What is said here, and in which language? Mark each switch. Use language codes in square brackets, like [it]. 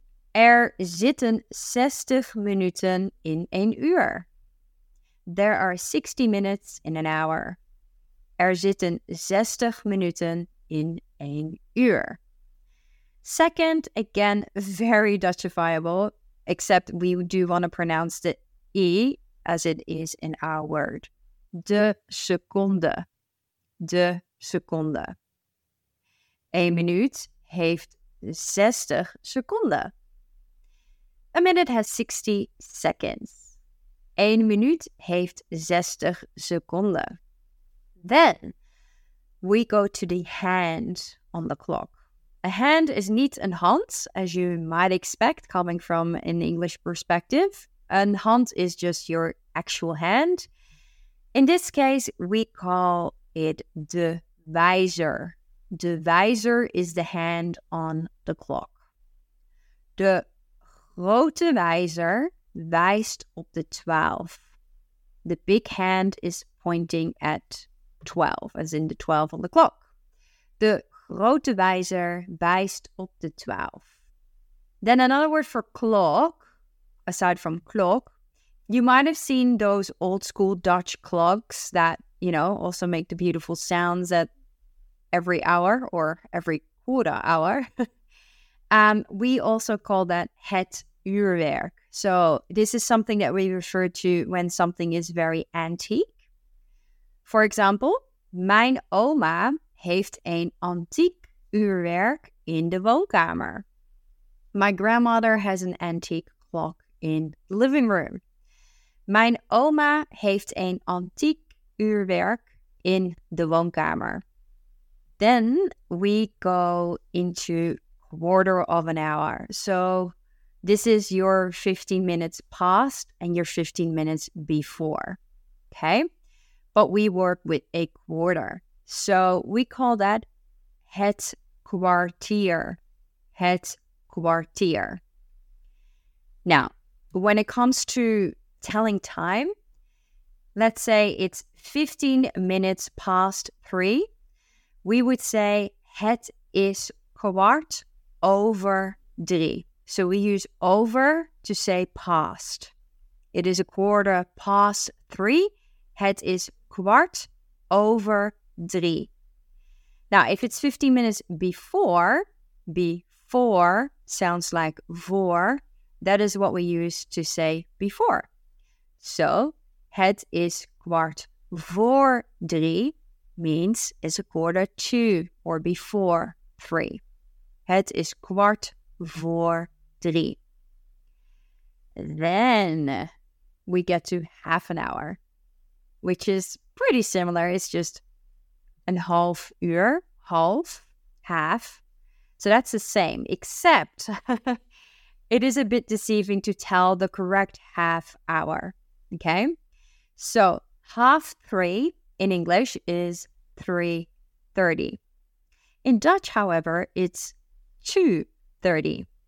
[nl] Er zitten 60 minuten in een uur. [en] There are 60 minutes in an hour. [nl] Er zitten 60 minuten in een uur. [en] Second, again, very Dutchifiable, except we do want to pronounce the E as it is in our word. [nl] De seconde. De seconde. Een minuut heeft 60 seconden. [en] A minute has 60 seconds. [nl] Een minuut heeft 60 seconden. [en] Then, we go to the hand on the clock. A hand is [nl] niet een hand, [en] as you might expect coming from an English perspective. An hand is just your actual hand. In this case, we call it de wijzer. De wijzer is the hand on the clock. [nl] De grote wijzer wijst op de 12. [en] The big hand is pointing at 12, as in the 12 on the clock. [nl] De grote wijzer wijst op de 12. [en] Then another word for clock, aside from clock, You might have seen those old school Dutch clocks that, you know, also make the beautiful sounds at every hour or every quarter hour. We also call that het uurwerk. So this is something that we refer to when something is very antique. For example, [nl] mijn oma heeft een antiek uurwerk in de woonkamer. [en] My grandmother has an antique clock in the living room. [nl] Mijn oma heeft een antiek uurwerk in de woonkamer. [en] Then we go into quarter of an hour. So this is your 15 minutes past and your 15 minutes before. Okay? But we work with a quarter. So we call that het kwartier. [nl] Het kwartier. [en] Now, when it comes to telling time, let's say it's 15 minutes past three, we would say [nl] het is kwart over drie. [en] So we use over to say past. It is a quarter past three. [nl] Het is kwart over drie. [en] Now, if it's 15 minutes before, before sounds like voor. That is what we use to say before. So, [nl] het is kwart voor drie [en] means it's a quarter to or before three. [nl] Het is kwart voor drie. [en] Then we get to half an hour, which is pretty similar. It's just [nl] een half uur, [en] half. So that's the same, except it is a bit deceiving to tell the correct half hour. Okay, so half three in English is 3:30. In Dutch, however, it's 2:30.